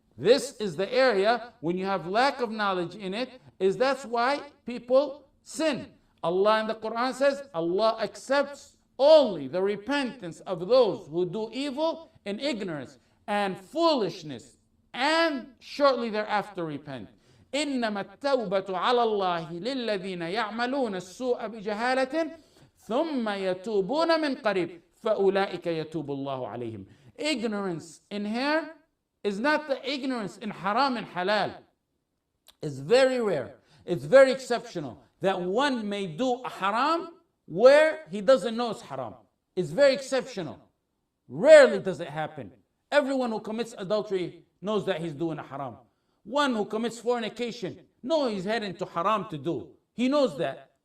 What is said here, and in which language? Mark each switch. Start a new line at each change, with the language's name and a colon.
English: This is the area when you have lack of knowledge in it, is that's why people sin. Allah in the Quran says, Allah accepts only the repentance of those who do evil in ignorance and foolishness and shortly thereafter repent.
Arabic: إِنَّمَا التَّوْبَةُ عَلَى اللَّهِ لِلَّذِينَ يَعْمَلُونَ السُّوءَ بِجَهَالَةٍ ثُمَّ يَتُوبُونَ مِنْ قَرِيبٍ فَأُولَٰئِكَ يَتُوبُ اللَّهُ عَلَيْهِمْ
English: Ignorance in here is not the ignorance in haram and halal. It's very rare. It's very exceptional that one may do a haram where he doesn't know it's haram. It's very exceptional. Rarely does it happen. Everyone who commits adultery knows that he's doing a haram. One who commits fornication, no, he's heading to haram to do. He knows that.